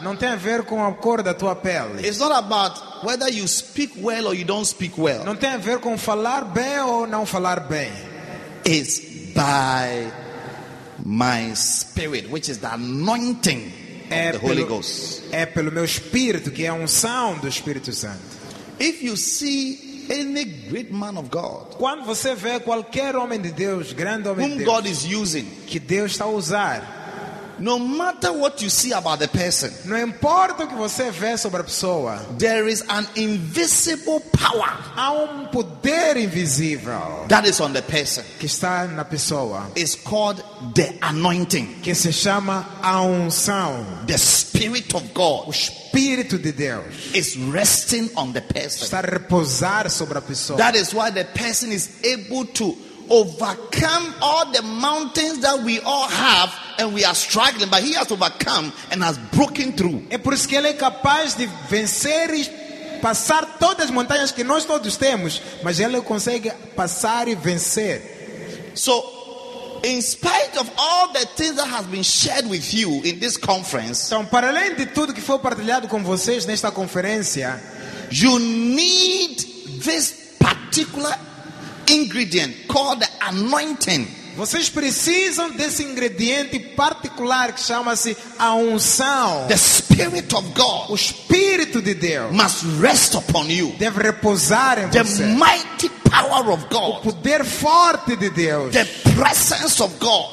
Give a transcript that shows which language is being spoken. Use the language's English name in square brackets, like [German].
[Portuguese] não tem a ver com a cor da tua pele, [English] it's not about whether you speak well or you don't speak well. [Portuguese] Não tem a ver com falar bem ou não falar bem. [English] It's by my spirit, which is the anointing of the Holy Ghost. [Portuguese] É pelo meu espírito, que é a unção do Espírito Santo. [English] If you see any great man of God, [Portuguese] quando você vê qualquer homem de Deus, grande homem de Deus, [English] whom God is using, [Portuguese] que Deus está a usar, [English] no matter what you see about the person, [Portuguese] não importa o que você vê sobre a pessoa, [English] there is an invisible power, [Portuguese] há poder invisível, [English] that is on the person, [Portuguese] que está na pessoa. [English] It's called the anointing, [Portuguese] que se chama a unção. [English] The spirit of God, [Portuguese] o espírito de Deus, [English] is resting on the person, [Portuguese] está a repousar sobre a pessoa. [English] That is why the person is able to overcome all the mountains that we all have and we are struggling, but he has overcome and has broken through. [Portuguese] É por isso que ele é capaz de vencer e passar todas as montanhas que nós todos temos, mas ele consegue passar e vencer. [English] So, in spite of all the things that has been shared with you in this conference, [Portuguese] então, para além de tudo que foi partilhado com vocês nesta conferência, [English] you need this particular ingredient called the anointing. [Portuguese] Vocês precisam desse ingrediente particular que chama-se a unção. [English] The spirit of God, [Portuguese] o espírito de Deus, [English] must rest upon you. [Portuguese] Deve repousar em [English] the [Portuguese] você. [English] The mighty power of God, [Portuguese] o poder forte de Deus, [English] the presence of God,